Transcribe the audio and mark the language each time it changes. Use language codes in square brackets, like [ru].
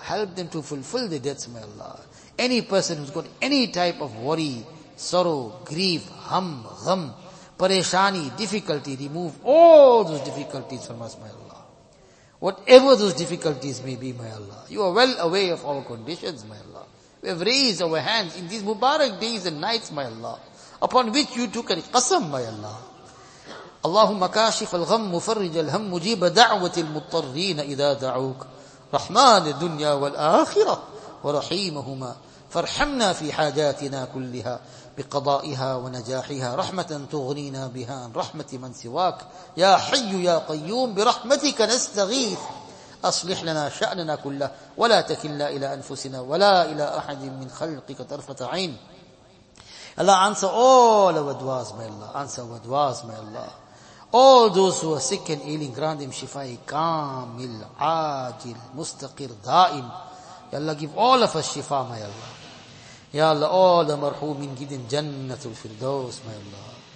[en] Help them to fulfill their debts, my Allah. Any person who's got any type of worry, sorrow, grief, gham, pareshani, difficulty, remove all those difficulties from us, my Allah. Whatever those difficulties may be, my Allah. You are well aware of our conditions, my Allah. We have raised our hands in these Mubarak days and nights, my Allah, upon which you took a qasam, my Allah. [ar] اللهم كاشف الغم مفرج الهم مجيب دعوة المضطرين إذا دعوك رحمن الدنيا والآخرة ورحيمهما فارحمنا في حاجاتنا كلها بقضائها ونجاحها رحمة تغنينا بها عن رحمة من سواك يا حي يا قيوم برحمتك نستغيث أصلح لنا شأننا كله ولا تكلنا إلى أنفسنا ولا إلى أحد من خلقك طرفة عين. [en] Allah, answer all our du'as, my Allah. Answer our du'as, my Allah. All those who are sick and ailing, grant them shifa'i kamil, ajil, mustaqir, da'im. Ya Allah, give all of us shifa, my Allah. Ya Allah, all the marhumin, give them jannatul firdaus, my Allah.